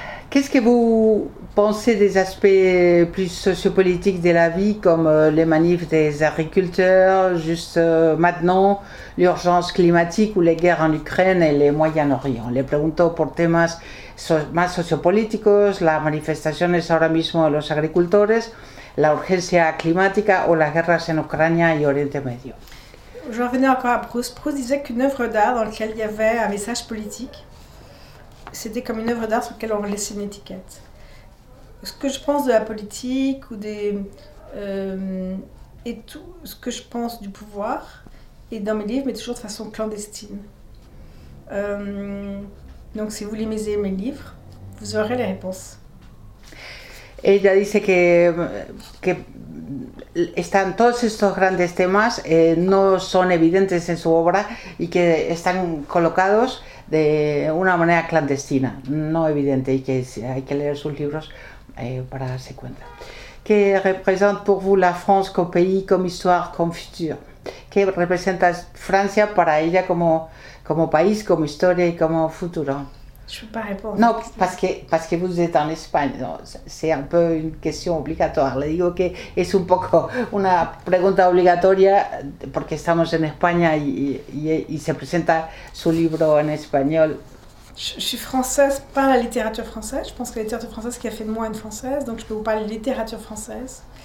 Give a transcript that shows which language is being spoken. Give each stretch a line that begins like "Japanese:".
French: ¿Qué es que vos pensez des aspects plus sociopolitiques de la vie, comme les manifs des agriculteurs, juste maintenant, l'urgence climatique ou les guerres en Ukraine et les Moyen-Orient?
Spanish: Le pregunto por temas más sociopolíticos, las manifestaciones ahora mismo de los agricultores, la urgencia climática o las guerras en Ucrania y Oriente Medio.
French: Je revenais encore à Proust. Proust disait qu'une œuvre d'art dans laquelle il y avait un message politique, c'était comme une œuvre d'art sur laquelle on laissait une étiquette. Ce que je pense de la politique ou et tout ce que je pense du pouvoir est dans mes livres, mais toujours de façon clandestine. Donc si vous lisez mes livres, vous aurez les réponses.
Spanish: Ella dice que están todos estos grandes temas, no son evidentes en su obra y que están colocados de una manera clandestina, no evidente, y que hay que leer sus libros para darse cuenta. ¿Qué representa para vos la Francia como país, como historia, como futuro? ¿Qué representa Francia para ella como país, como historia y como futuro?
French: Je peux pas répondre. Non, parce que vous êtes en Espagne. C'est un peu une question obligatoire.
Spanish: Le digo que es un poco una pregunta obligatoria porque estamos en España y se presenta su libro en español.
French: Je suis française par la littérature française. Je pense que la littérature française qui a fait de moi une française, donc je peux vous parler de littérature française.